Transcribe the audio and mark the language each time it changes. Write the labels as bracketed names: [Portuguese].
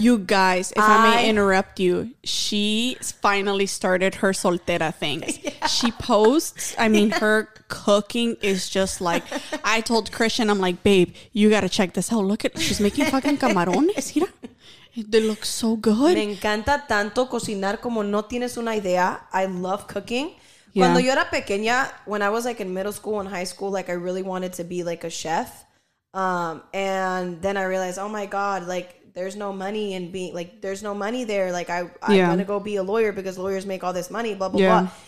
[English] you guys, if I may interrupt you, she finally started her soltera thing. Yeah. She posts, her cooking is just I told Christian, I'm like, babe, you got to check this out. Look at, she's making fucking camarones. Mira. They look so good. [Spanish] Me encanta tanto cocinar como no tienes una idea. [English] I love cooking. Yeah. [Spanish] Cuando yo era pequeña, [English] when I was in middle school and high school, I really wanted to be a chef. And then I realized, oh my God, there's no money in being there's no money there. I'm gonna go be a lawyer because lawyers make all this money, blah, blah, blah.